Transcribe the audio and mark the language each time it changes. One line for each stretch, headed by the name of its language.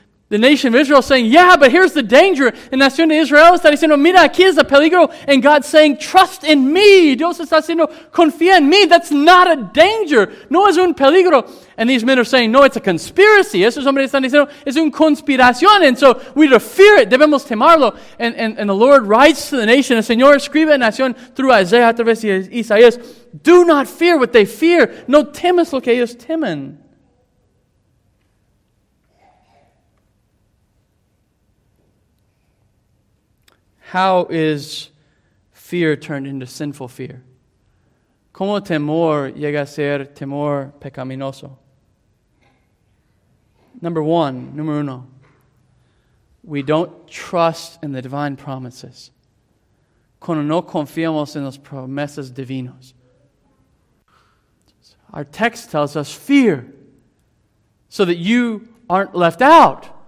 English: The nation of Israel is saying, yeah, but here's the danger. The nation of Israel
Spanish: está diciendo, mira, aquí es el peligro.
English: And God's saying, trust in me.
Spanish: Dios está diciendo, confía en me.
English: That's not a danger.
Spanish: No es un peligro.
English: And these men are saying, no, it's a conspiracy.
Spanish: Esos hombres están diciendo, es una conspiración.
English: And so we need to fear it.
Spanish: Debemos temarlo.
English: And the Lord writes to the nation,
Spanish: el Señor escribe a la nación
English: through Isaiah,
Spanish: a través de Isaías,
English: do not fear what they fear.
Spanish: No temas lo que ellos temen.
English: How is fear turned into sinful fear?
Spanish: ¿Cómo temor llega a ser temor pecaminoso? Número uno,
English: we don't trust in the divine promises.
Spanish: Cuando no confiamos en las promesas divinas.
English: Our text tells us fear so that you aren't left out.